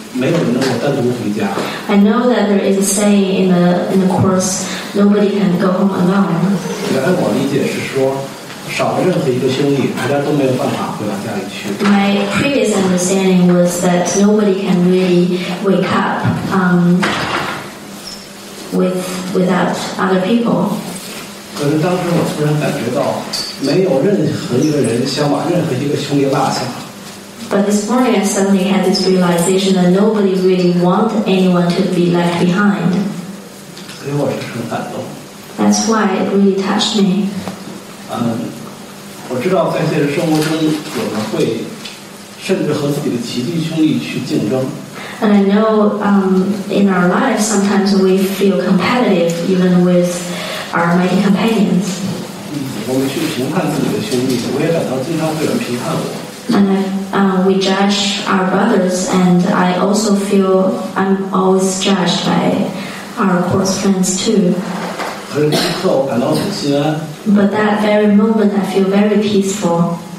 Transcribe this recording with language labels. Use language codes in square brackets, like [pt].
[en] I know that there is a saying in the course, nobody can go home alone. [zh] 原来我理解是说少了任何一个兄弟，大家都没有办法回到家里去。 [en] My previous understanding was that nobody can really wake up without other people. [zh] 可是当时我突然感觉到，没有任何一个人想把任何一个兄弟落下。 [en] But this morning I suddenly had this realization that nobody really wants anyone to be left behind. [zh] 所以我是很感动。 [en] That's why it really touched me. [zh] 我知道在现实生活中我们会甚至和自己的亲弟兄弟去竞争。 [en] And I know in our lives sometimes we feel competitive even with our mighty companions. [zh] 我们去评判自己的兄弟，我也感到经常会有人评判我。 [en] And we judge our brothers, and I also feel I'm always judged by our close friends too. But that very moment, I feel very peaceful.